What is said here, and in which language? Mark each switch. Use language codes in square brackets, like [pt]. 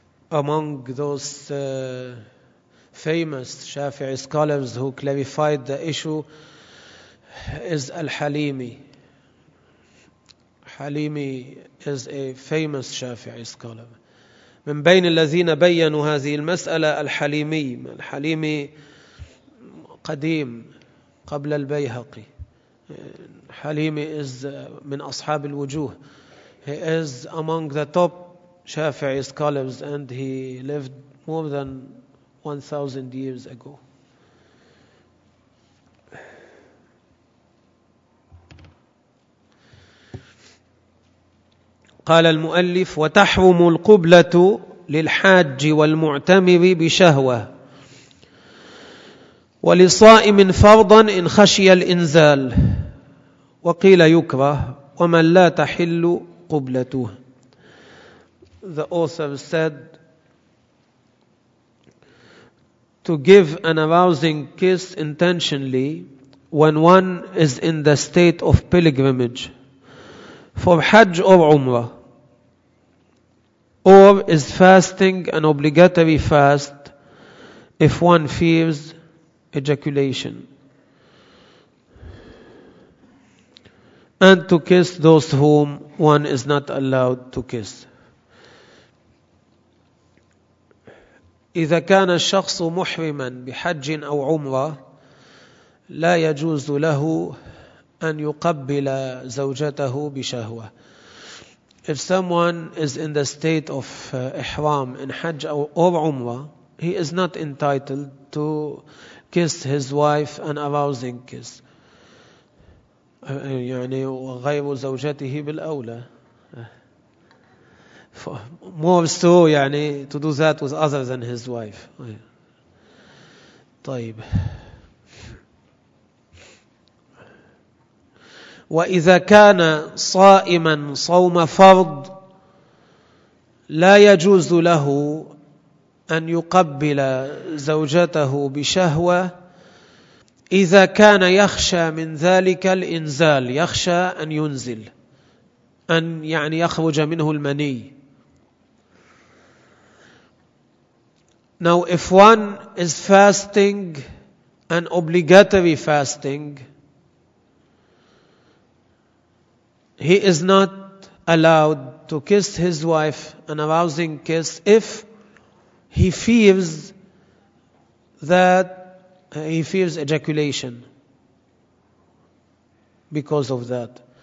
[en] Among those famous Shafi'i scholars who clarified the issue is Al-Halimi. Halimi is a famous Shafi'i scholar. [ar] من بين الذين بينوا هذه المسألة الحليمي. الحليمي قديم قبل البيهقي. حليمي is من أصحاب الوجوه. [en] He is among the top Shafi'i scholars and he lived more than 1,000 years ago. [ar] قال المؤلف وتحرم القبلة للحاج والمعتمر بشهوة ولصائم فرضا إن خشي الإنزال وقيل يكره ومن لا تحل قبلته. [en] The author said to give an arousing kiss intentionally when one is in the state of pilgrimage for Hajj or Umrah, or is fasting an obligatory fast if one fears ejaculation? and to kiss those whom one is not allowed to kiss. [ar] إذا كان الشخص محرما بحج أو عمرة لا يجوز له أن يقبل زوجته بشهوة. [en] If someone is in the state of ihram in Hajj or Umrah, he is not entitled to kiss his wife an arousing kiss. [ar] يعني غير زوجته بالأولى. [en] More so, يعني to do that with other than his wife. [ar] طيب. وإذا كان صائما صوم فرض لا يجوز له أن يقبل زوجته بشهوة إذا كان يخشى من ذلك الإنزال يخشى أن ينزل أن يعني يخرج منه المني. [en] Now if one is fasting an obligatory fasting, he is not allowed to kiss his wife an arousing kiss if he fears that he fears ejaculation because of that.